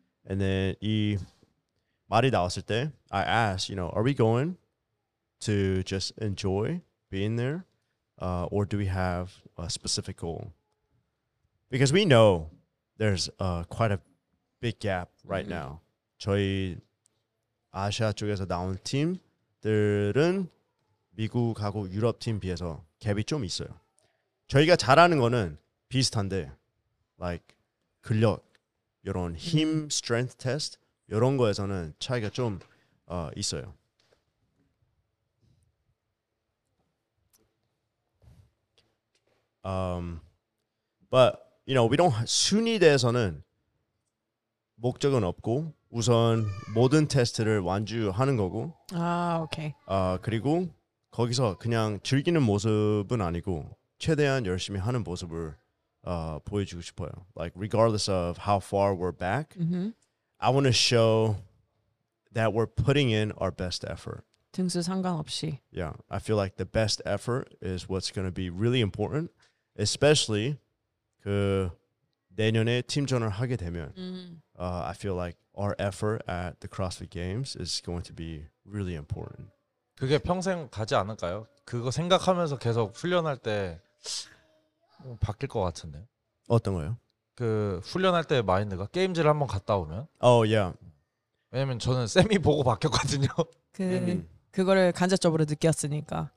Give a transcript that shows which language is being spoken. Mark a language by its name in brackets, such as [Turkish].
[English] And then [Korean] 이 말이 나왔을 때, [English] I asked, you know, are we going to just enjoy being there? Or do we have a specific goal? Because we know there's quite a big gap right now. [Korean] 저희 아시아 쪽에서 나온 팀들은 미국하고 유럽 팀 비해서 갭이 좀 있어요. 저희가 잘하는 거는 비슷한데 like 근력 이런 힘 strength test 이런 거에서는 차이가 좀 있어요. [English] But you know, we don't [Korean] 순위 대해서는 목적은 없고 우선 모든 테스트를 완주하는 거고 아 오케이 그리고 거기서 그냥 즐기는 모습은 아니고 최대한 열심히 하는 모습을 보여주고 싶어요. [English] Like regardless of how far we're back, mm-hmm. I want to show that we're putting in our best effort. [Korean] 등수 상관없이. [English] Yeah, I feel like the best effort is what's going to be really important, especially [Korean] 그 내년에 팀전을 하게 되면. Mm-hmm. [English] I feel like our effort at the CrossFit Games is going to be really important. [Korean] 그게 평생 가지 않을까요? 그거 생각하면서 계속 훈련할 때 바뀔 것 같은데. 어떤 거요? 그 훈련할 때 마인드가 게임즈를 한번 갔다 오면. 어, oh, yeah. 왜냐면 저는 세미 보고 바뀌었거든요. 그 그거를 간접적으로 느꼈으니까.